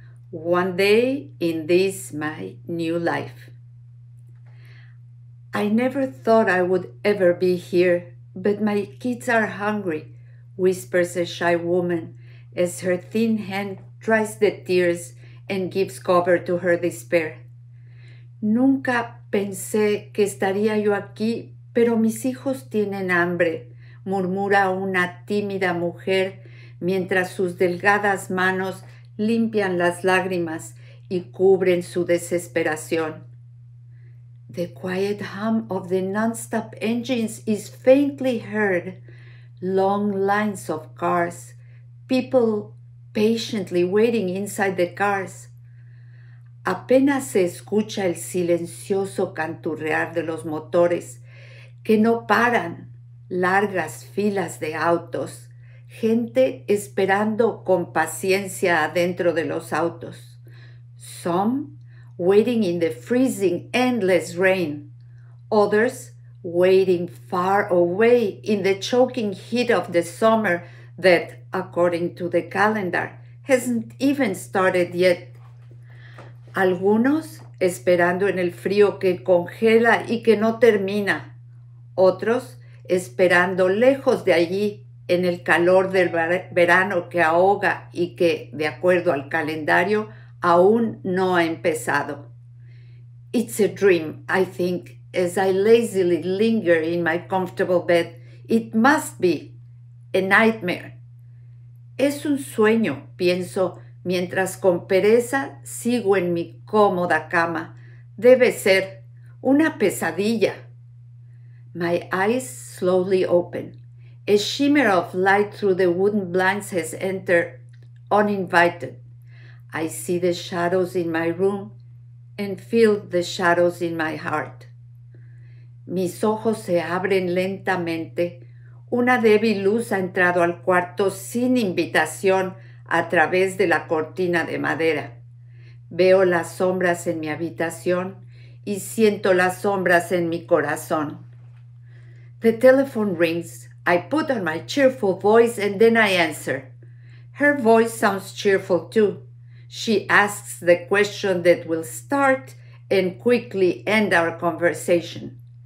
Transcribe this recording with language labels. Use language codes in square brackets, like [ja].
[en] One day in this, my new life. I never thought I would ever be here, but my kids are hungry, whispers a shy woman as her thin hand dries the tears and gives cover to her despair. [es] Nunca pensé que estaría yo aquí, pero mis hijos tienen hambre, murmura una tímida mujer mientras sus delgadas manos limpian las lágrimas y cubren su desesperación. [en] The quiet hum of the non-stop engines is faintly heard. Long lines of cars, people patiently waiting inside the cars. [es] Apenas se escucha el silencioso canturrear de los motores, que no paran, largas filas de autos, gente esperando con paciencia adentro de los autos. [en] Some waiting in the freezing, endless rain. Others waiting far away in the choking heat of the summer that, according to the calendar, hasn't even started yet. [es] Algunos esperando en el frío que congela y que no termina. Otros esperando lejos de allí en el calor del verano que ahoga y que, de acuerdo al calendario, aún no ha empezado. [en] It's a dream, I think. As I lazily linger in my comfortable bed, it must be a nightmare. [es] Es un sueño, pienso, mientras con pereza sigo en mi cómoda cama. Debe ser una pesadilla. [en] My eyes slowly open. A shimmer of light through the wooden blinds has entered uninvited. I see the shadows in my room and feel the shadows in my heart. [es] Mis ojos se abren lentamente. Una débil luz ha entrado al cuarto sin invitación a través de la cortina de madera. Veo las sombras en mi habitación y siento las sombras en mi corazón. [en] The telephone rings. I put on my cheerful voice and then I answer. Her voice sounds cheerful too. She asks the question that will start and quickly end our conversation.